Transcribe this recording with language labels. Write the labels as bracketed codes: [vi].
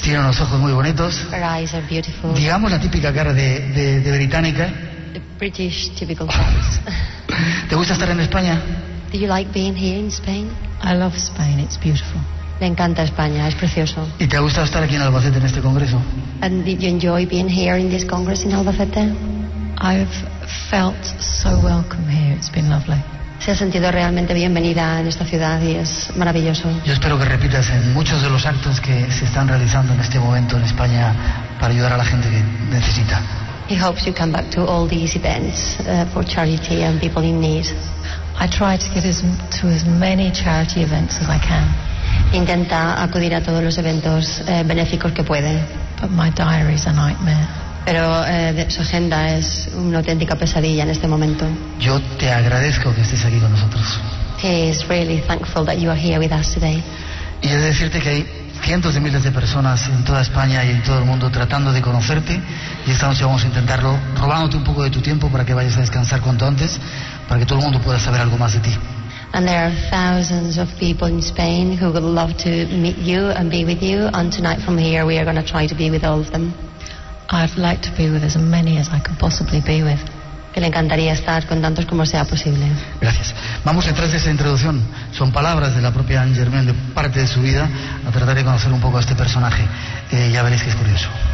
[es] Tiene unos ojos muy bonitos. [en] Her eyes are beautiful. [es] Digamos la típica cara de británica. [en] The British typical face. [es] ¿Te gusta estar en España? [en] Do you like being here in Spain? I love Spain, it's beautiful. [es] Me encanta España, es precioso. ¿Y te ha gustado estar aquí en Albacete en este congreso? [en] And did you enjoy being here in this congress in Albacete? I've felt so welcome here, it's been lovely. [es] Se ha sentido realmente bienvenida en esta ciudad y es maravilloso. Yo espero que repitas en muchos de los actos que se están realizando en este momento en España para ayudar a la gente que necesita. [en] He hopes you come back to all these events for charity and people in need. I try to get to as many charity events as I can. [es] Intenta acudir a todos los eventos benéficos que puede. [en] But my diary is a nightmare. [es] Pero su agenda es una auténtica pesadilla en este momento. Yo te agradezco que estés aquí con nosotros. [en] He is really thankful that you are here with us today. [es] Y he de decirte que hay cientos de miles de personas en toda España y en todo el mundo tratando de conocerte, y esta noche vamos a intentarlo robándote un poco de tu tiempo para que vayas a descansar cuanto antes, para que todo el mundo pueda saber algo más de ti. [en] And there are thousands of people in Spain who would love to meet you and be with you. And tonight from here we are going to try to be with all of them. I'd like to be with as many as I could possibly be with. [es] Que le encantaría estar con tantos como sea posible. Gracias. Vamos a entrar en esa introducción. Son palabras de la propia Anne Germain, de parte de su vida, a tratar de conocer un poco a este personaje. Ya veréis que es curioso.